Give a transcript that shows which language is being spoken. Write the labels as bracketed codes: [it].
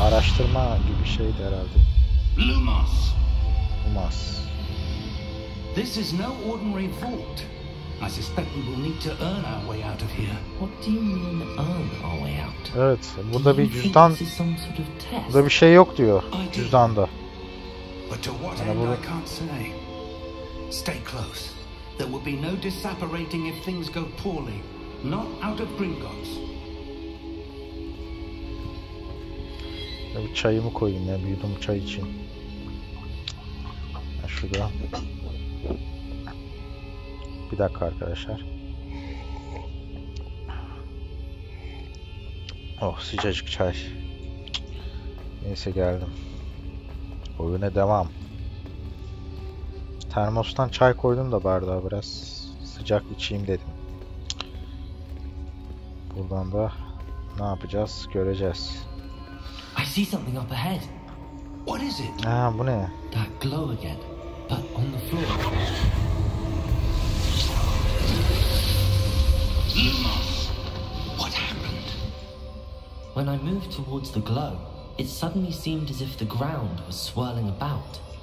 [tr] Araştırma gibi şeydi herhalde. [en] Lumos. Lumos. This is no ordinary vault. I suspect we will need to earn our way out of here. What do you mean earn our way out? [tr] Evet, burada bir cüzdan. Burada bir şey yok diyor cüzdanda. [en] But to what end, I can't say. Stay close. There will be no disapparating if things go poorly. Not out of Gringotts. [tr] Ya bir çayımı koyayım ya, bir yudum çay için. Ya şurada. Bir dakika arkadaşlar. Oh, sıcacık çay. Neyse, geldim. Oyuna devam. Termostan çay koydum da bardağa, biraz sıcak içeyim dedim. Buradan da ne yapacağız göreceğiz. [en] I see something up ahead. What is it? [tr] Ah, bu ne? [en] That glow again, but on the floor. Lumos! What happened? When I moved towards the glow, it suddenly seemed as if the ground was swirling about.